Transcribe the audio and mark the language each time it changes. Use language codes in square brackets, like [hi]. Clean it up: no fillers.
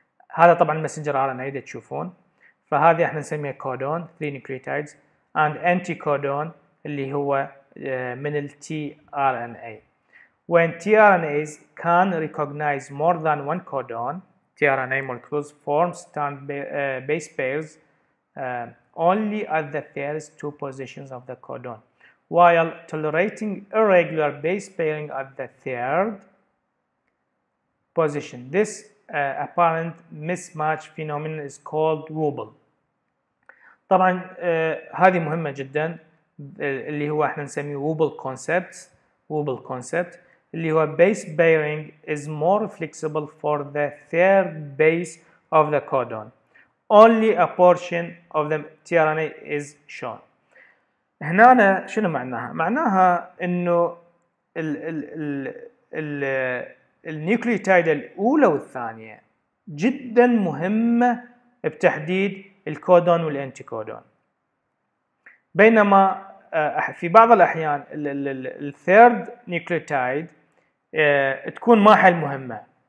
[ar] هذا طبعا المسنجر ار ان اي تشوفون، فهذه احنا نسميها [en] codon 3 nucleotides and anticodon [ar] اللي هو من التي ار ان اي. [en] When tRNAs can recognize more than one codon, tRNA molecules form strand base pairs only at the first two positions of the codon, while tolerating irregular base pairing at the third position. This apparent mismatch phenomenon is called wobble. [ar] طبعا هذه مهمة جدا اللي هو احنا نسميه wobble concept. اللي هو [en] base pairing is more flexible for the third base of the codon. Only a portion of the tRNA is shown. [ar] هنا أنا شنو معناها؟ معناها إنه ال nucleotide الأولى والثانية جدا مهمة بتحديد الكودون والانتيكودون. بينما في بعض الأحيان ال third nucleotide تكون ما حل مهمة.